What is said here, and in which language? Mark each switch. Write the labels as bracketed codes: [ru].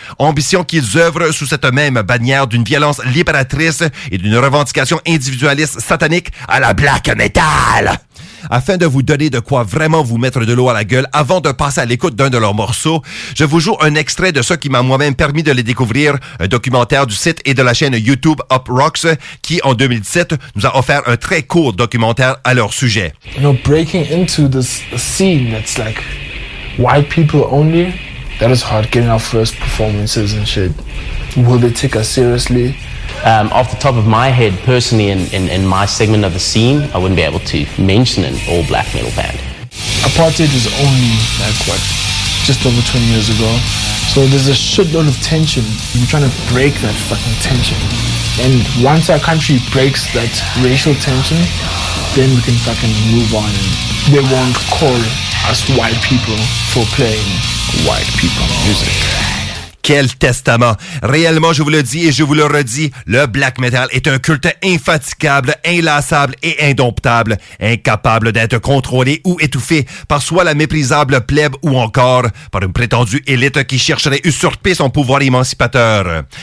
[fr] Ambition qu'ils œuvrent sous cette même bannière d'une violence libératrice et d'une revendication individualiste satanique à la black metal. Afin de vous donner de quoi vraiment vous mettre de l'eau à la gueule avant de passer à l'écoute d'un de leurs morceaux, je vous joue un extrait de ce qui m'a moi-même permis de les découvrir, un documentaire du site et de la chaîne YouTube Up Rocks, qui en 2017 nous a offert un très court documentaire à leur sujet. [en] You know, breaking into this scene that's like white people only, that is hard, getting our first performances and shit. Will they take us seriously? Off the top of my head, personally, in my segment of the scene, I wouldn't be able to mention an all black metal band. Apartheid is only like what, just over 20 years ago. So there's a shitload of tension. I'm trying to break that fucking tension. And once our country breaks that racial tension, then we can fucking move on. They won't call us white people for playing white people music. [fr] Quel testament! Réellement, je vous le dis et je vous le redis, le black metal est un culte infatigable, inlassable et indomptable, incapable d'être contrôlé ou étouffé par soit la méprisable plèbe ou encore par une prétendue élite qui chercherait usurper son pouvoir émancipateur.